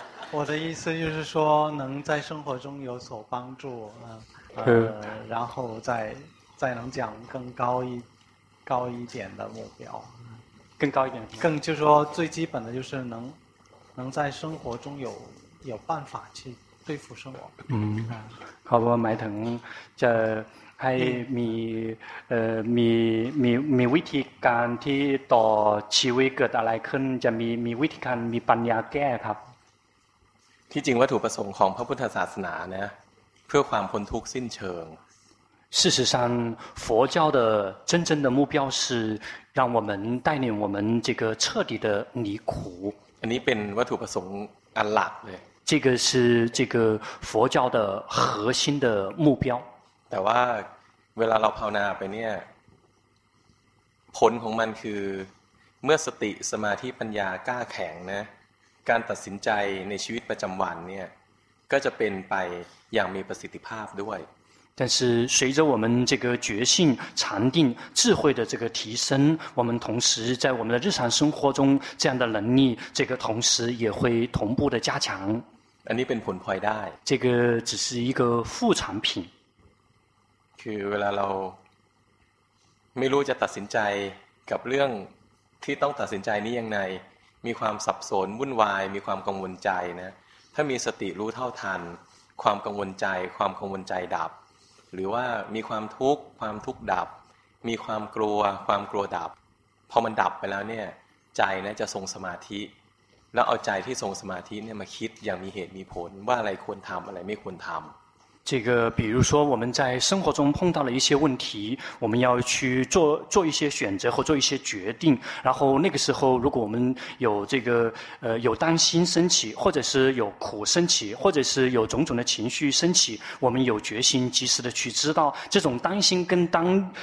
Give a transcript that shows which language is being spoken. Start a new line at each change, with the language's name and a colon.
Chinese: 我的意思就是说，能在生活中有所帮助，然后再能讲更高一点的目标。更高一点。更就是说最基本的就是能在生活中有办法去对付生活。嗯，好不好？麦腾，这还
Thai: มีวิธีการที่ต่อชีวิตเกิดอะไรขึ้นจะมีวิธีการมีปัญญาแก้ครับ ที่จริงวัตถุประสงค์ของพระพุทธศาสนาเนี่ยเพื่อความพ้นทุกข์สิ้นเชิง
Chinese: 事实上佛教的真正的目标是让我们带领我们这个彻底的离苦
Thai: อันนี้เป็นวัตถุประสงค์อันหลักเลย
Chinese: 这个是这个佛教的核心的目标
Thai: แต่ว่าเวลาเราภาวนาไปเนี่ยผลของมันคือเมื่อสติสมาธิปัญญากล้าแข็งนะการตัดสินใจในชีวิตประจำวันเนี่ยก็จะเป็นไปอย่างมีประสิทธิภาพด้วย
Chinese: 但是随着我们这个觉性禅定智慧的这个提升我们同时在我们的日常生活中这样的能力这个同时也会同步的加强
Thai: อันนี้เป็นผลพลอยได้
Chinese: 这个只是一个副产品
Thai: คือเวลาเราไม่รู้จะตัดสินใจกับเรื่องที่ต้องตัดสินใจนี้ยังไงมีความสับสนวุ่นวายมีความกังวลใจนะถ้ามีสติรู้เท่าทันความกังวลใจความกังวลใจดับหรือว่ามีความทุกข์ความทุกข์ดับมีความกลัวความกลัวดับพอมันดับไปแล้วเนี่ยใจนะจะทรงสมาธิแล้วเอาใจที่ทรงสมาธิเนี่ยมาคิดอย่างมีเหตุมีผลว่าอะไรควรทำอะไรไม่ควรทำ
Chinese: 这个比如说我们在生活中碰到了一些问题我们要去做一些选择或做一些决定然后那个时候如果我们有这个有担心升起或者是有苦升起或者是有种种的情绪升起我们有决心及时的去知道这种担心跟当